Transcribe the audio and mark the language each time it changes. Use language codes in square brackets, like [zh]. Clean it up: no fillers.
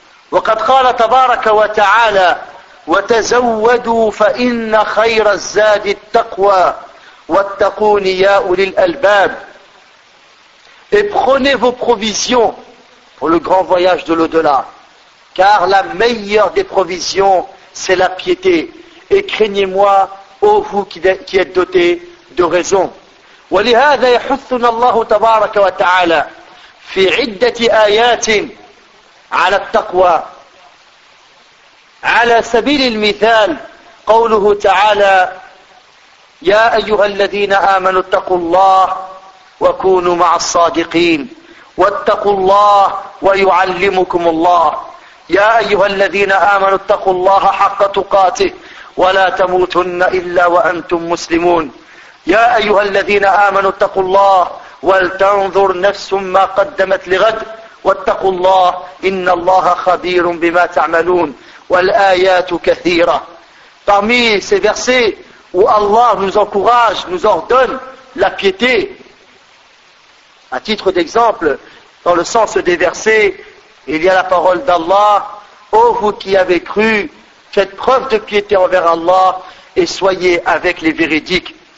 [ar] وَقَدْ قَالَ تَبَارَكَ وَتَعَالَى وَتَزَوَّدُوا فَإِنَّ خَيْرَ الزَّادِ التَّقْوَى وَاتَّقُونِ يَا أُولِي الْأَلْبَابِ. [fr] Et prenez vos provisions pour le grand voyage de l'au-delà. Car la meilleure des provisions, c'est la piété. Et craignez-moi, ô vous qui êtes dotés de raison. [ar] وَلِهَذَا يَحُثُّنَا اللَّهُ تَبَارَكَ وَتَعَالَى فِي عِدَّةِ آيَاتٍ عَلَى التَّقْوَى عَلَى سَبِيلِ الْمِثَالِ قَوْلُهُ تَعَالَى يا أيها الذين آمنوا اتقوا الله وكونوا مع الصادقين واتقوا الله ويعلمكم الله يا أيها الذين آمنوا اتقوا الله حق تقاته ولا تموتن إلا وأنتم مسلمون يا أيها الذين آمنوا اتقوا الله ولتنظر نفس ما قدمت لغد واتقوا الله إن الله خبير بما تعملون والآيات كثيرة. [fr] Parmi ces versets où Allah nous encourage, nous ordonne la piété. À titre d'exemple, dans le sens des versets, il y a la parole d'Allah, « Ô vous qui avez cru, faites preuve de piété envers Allah et soyez avec les véridiques.